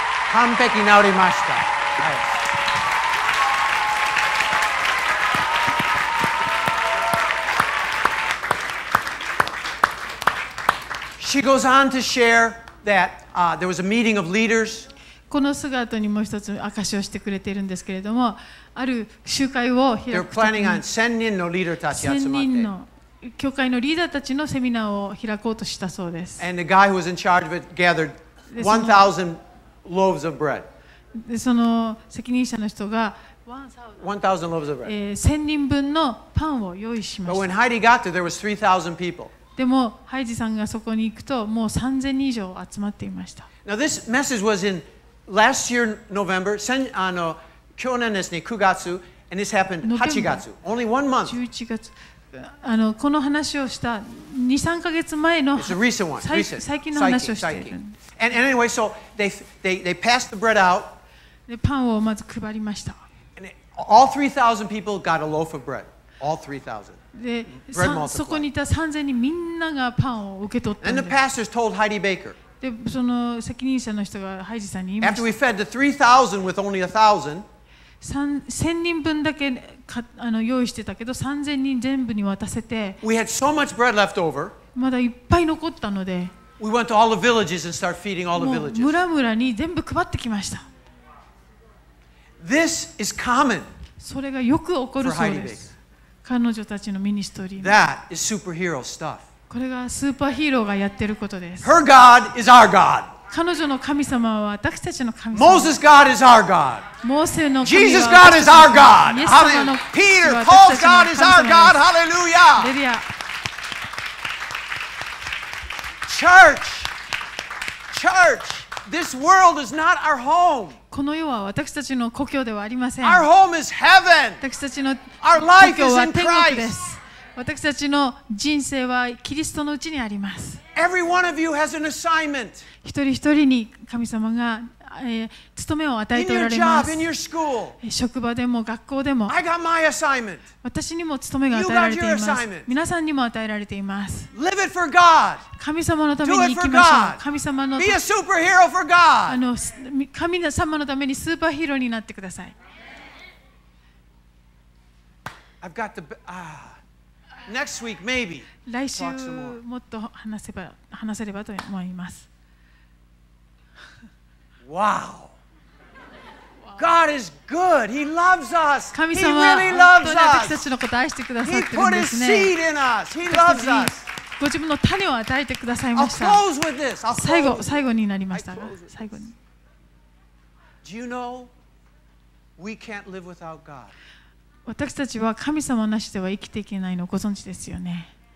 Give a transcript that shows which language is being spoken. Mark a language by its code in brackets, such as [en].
[ja] 完璧治りました。 [en] She goes on to share that there was a meeting of leaders. [ja] この姿にもう一つ証しをしてくれているんですけれども、ある集会を開くときに、千人のリーダーたち集まって、千人の教会のリーダーたちのセミナーを開こうとしたそうです。 [en] And the guy who was in charge of it gathered 1,000 loaves of bread. [ja] その責任者の人が [en] 1,000 loaves of bread. [ja] 千人分のパンを用意しました。 [en] But when Heidi got there, there was 3,000 people. [ja] でもハイジさんがそこに行くともう3000人以上集まっていました。 [en] Now this message was in last year November, [ja] 去年ですね、 [en] 9月、and this happened 8月、only one month. [ja] 11月、この話をした2、3ヶ月前の、 [en] It's a recent one. [ja] 最近の話をしているんです。 [en] And anyway, so they passed the bread out. [ja] でパンをまず配りました。 [en] And all 3,000 people got a loaf of bread. All 3,000. [ja] でそこにいた3000人みんながパンを受け取ったんです。 [en] And the pastors told Heidi Baker. [ja] でその責任者の人がハイジさんに言いました。 [en] After we fed the 3,000 with only 1,000, [ja] 1000人分だけ用意してたけど3000人全部に渡せて、 [en] We had so much bread left over. [ja] まだいっぱい残ったので、 [en] We went to all the villages and started feeding all the villages. [ja] もう村々に全部配ってきました。 [en] This is common. [ja] それがよく起こるそうです。彼女たちのミニストリー。 [en] That is superhero stuff. [ja] これがスーパーヒーローがやってることです。 [en] Her God is our God. [ja] 彼女の神様は私たちの神様。 [en] Moses God is our God. [ja] モーセの神は。 [en] Jesus God is our God. [ja] イエス様の神様は私たちの神様です。 [en] God is our God. Hallelujah. [ja] レビア。 [en] Church, church, this world is not our home. [ja] この世は私たちの故郷ではありません。 [en] Our home is heaven. [ja] 私たちの故郷は天国です。私たちの人生はキリストのうちにあります。 [en] Every one of you has an assignment. [ja] 一人一人に神様が、務めを与えておられます。 [en] In your job, in your school. [ja] 職場でも学校でも。 [en] I got my assignment. [ja] 私にも務めが与えられています。皆さんにも与えられています。 [en] Live it for God. [ja] 神様のために生きましょう。神様の。 [en] Be a superhero for God. [ja] 神様のためにスーパーヒーローになってください。 [en] I've got the next week maybe. [ja] 来週もっと話せればと思います。 [en] Wow. God is good. He loves us. [ja] 神様は本当に私たちのことを愛してくださってるんですね。 [en] He put his seed in us. He loves us. [ja] ご自分の種を与えてくださいました。 [en] I'll close with this. [ja] 最後になりましたが、最後に。 [en] Do you know we can't live without God? [ja] 私たちは神様なしでは生きていけないのをご存知ですよね。